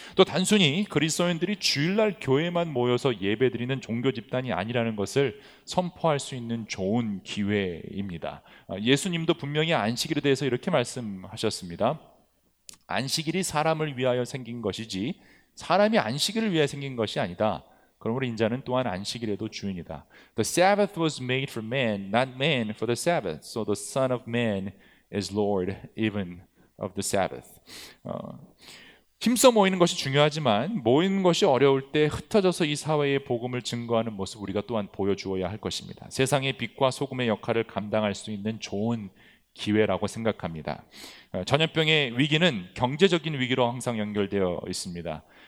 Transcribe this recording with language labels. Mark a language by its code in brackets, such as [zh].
[ko] 또 단순히 그리스도인들이 주일날 교회만 모여서 예배드리는 종교 집단이 아니라는 것을 선포할 수 있는 좋은 기회입니다. 예수님도 분명히 안식일에 대해서 이렇게 말씀하셨습니다. 안식일이 사람을 위하여 생긴 것이지 사람이 안식일을 위해 생긴 것이 아니다. 그러므로 인자는 또한 안식일에도 주인이다. [en] The Sabbath was made for man, not man for the Sabbath. So the Son of Man is Lord even of the Sabbath. [ko] 힘써 모이는 것이 중요하지만, 모이는 것이 어려울 때 흩어져서 이 사회에 복음을 증거하는 모습 우리가 또한 보여주어야 할 것입니다. 세상의 빛과 소금의 역할을 감당할 수 있는 좋은 기회라고 생각합니다. 전염병의 위기는 경제적인 위기로 항상 연결되어 있습니다.